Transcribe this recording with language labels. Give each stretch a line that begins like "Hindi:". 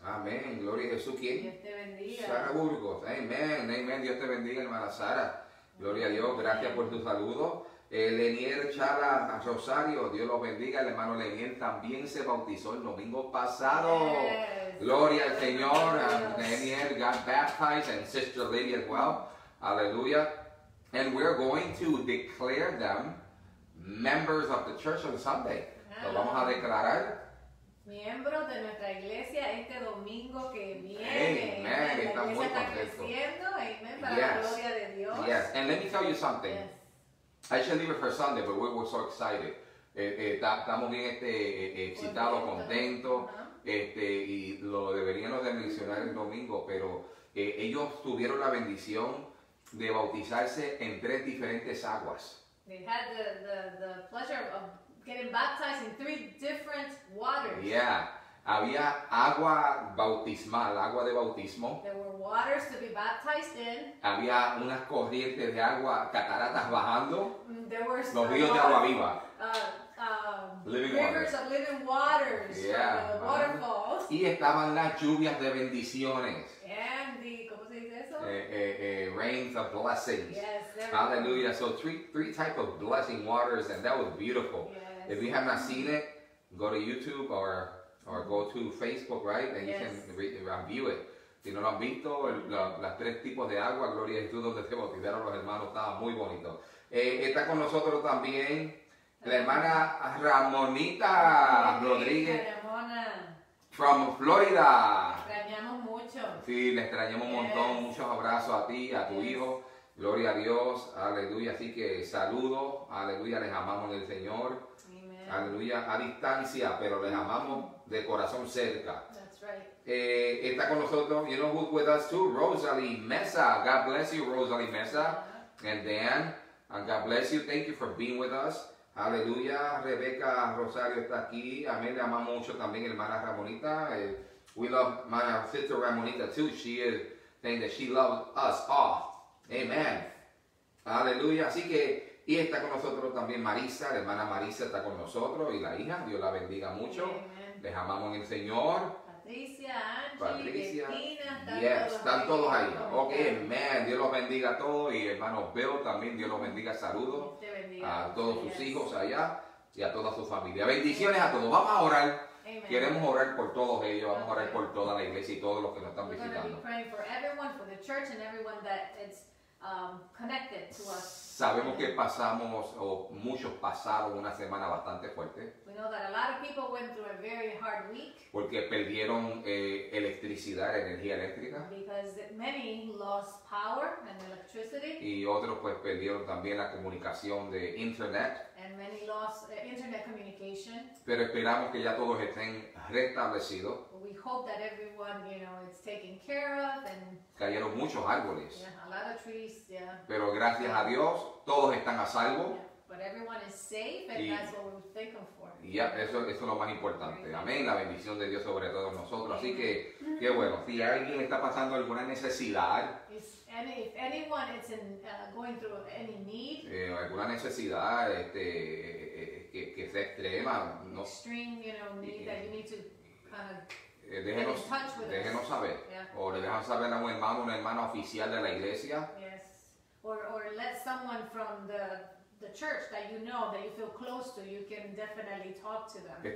Spanish: Amén. Gloria a Jesús. ¿Quién? Dios te bendiga. Sara Burgos. Amén. Amén. Dios te bendiga, hermana Sara. Gloria a Dios. Gracias por tu saludo. Lenier Chala Rosario. Dios los bendiga. El hermano Lenier también se bautizó el domingo pasado.
English: Yes.
Spanish: Gloria al Señor.
English: Lenier got baptized and Sister Lady as well. Aleluya. And we're going to declare them members of the Church on Sunday.
Spanish: Lo vamos a declarar. miembros de nuestra iglesia este domingo que viene. Amen. La iglesia está muy contento. Creciendo. Amen. Para la gloria de Dios.
English: Yes. And let me tell you something. Yes. I should leave it for Sunday, but we're so excited.
Spanish: Estamos bien excitados, contentos. Y lo deberíamos de mencionar el domingo, pero ellos tuvieron la bendición de bautizarse en tres diferentes aguas.
English: They had the pleasure of getting baptized in three different waters.
Spanish: Yeah. Había agua bautismal, agua de bautismo.
English: There were waters to be baptized in.
Spanish: Había unas corrientes de agua, cataratas bajando.
English: There were
Spanish: los ríos de agua viva.
English: Living rivers waters. Of living waters. Yeah. Waterfalls.
Spanish: Y estaban las lluvias de bendiciones.
English: And the,
Spanish: ¿cómo se dice eso?
English: Rains of blessings. Yes. Hallelujah. So three types of blessing waters, and that was beautiful. Yes. If you have not seen it, go to YouTube or go to Facebook, right? And yes. You can review it.
Spanish: Si no lo han visto, las tres tipos de agua, gloria a Jesús, donde se bautizaron los hermanos, estaba muy bonito. Está con nosotros también la hermana Ramonita Rodríguez. Ramona.
English: From Florida.
Spanish: Extrañamos mucho. Sí, le extrañamos un montón. Muchos abrazos a ti, a tu hijo. Gloria a Dios. Aleluya. Así que saludo. Aleluya. Les amamos en el Señor. Aleluya, a distancia, pero les amamos de corazón cerca.
English: That's right.
Spanish: Está con nosotros,
English: you know who's with us too, Rosalie Mesa. God bless you, Rosalie Mesa. And Dan, and God bless you, thank you for being with us.
Spanish: Aleluya, Rebeca Rosario está aquí. Amén, le amamos mucho también, hermana Ramonita.
English: We love my sister Ramonita too. She is saying that she loves us all.
Spanish: Amen. Aleluya, así que. Y está con nosotros también Marisa, la hermana Marisa está con nosotros y la hija, Dios la bendiga mucho. Amen. Les amamos en el Señor. Patricia, Angie, Patricia. Cristina, yes, están todos ahí. Ok, amén, Dios los bendiga a todos y hermano Bill también, Dios los bendiga, saludos bendiga. A todos sus hijos allá y a toda su familia. Bendiciones a todos, vamos a orar. Amen. Queremos orar por todos ellos, vamos a orar por toda la iglesia y todos los que nos están
English: We're
Spanish: visitando.
English: We're praying for everyone, for the church and everyone that it's connected to us.
Spanish: Sabemos que pasamos, o muchos pasaron una semana bastante fuerte.
English: We know that a lot of people went through a very hard week.
Spanish: Porque perdieron electricidad, energía eléctrica.
English: Because many lost power and electricity.
Spanish: Y otros pues perdieron también la comunicación de internet.
English: And many lost internet communication.
Spanish: Pero esperamos que ya todos estén restablecidos.
English: We hope that everyone, you know, is taken care of. And
Spanish: cayeron muchos árboles.
English: Yeah, a lot of trees, yeah.
Spanish: Pero gracias a Dios, todos están a salvo.
English: Yeah, but everyone is safe, and that's what we're thinking for.
Spanish: Yeah, eso es lo más importante. Amén. La bendición de Dios sobre todos nosotros. Así que, qué bueno. Si alguien está pasando alguna necesidad.
English: If anyone is going through any need.
Spanish: Alguna necesidad que sea extrema. No,
English: extreme, you know, need that you need to kind of.
Spanish: Déjenos,
English: get in touch with
Spanish: déjenos
English: us.
Spanish: Saber.
English: Yeah.
Spanish: O le dejan saber a un hermano oficial de la iglesia.
English: Yes. Or let someone from the church that you know, that you feel close to, you can definitely talk to them.